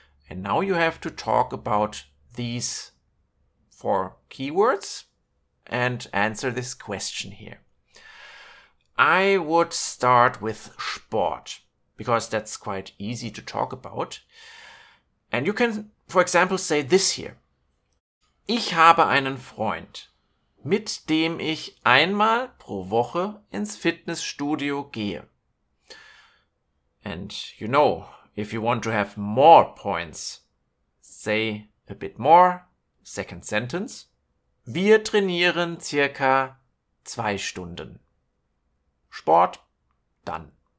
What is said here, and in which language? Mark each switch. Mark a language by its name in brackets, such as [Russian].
[English] And now you have to talk about these four keywords and answer this question here. I would start with sport, because that's quite easy to talk about. And you can, for example, say this here. [German] Ich habe einen Freund, mit dem ich einmal pro Woche ins Fitnessstudio gehe. [English] And you know, if you want to have more points, say a bit more, second sentence. [German] Wir trainieren circa 2 Stunden. [English] Sport, done.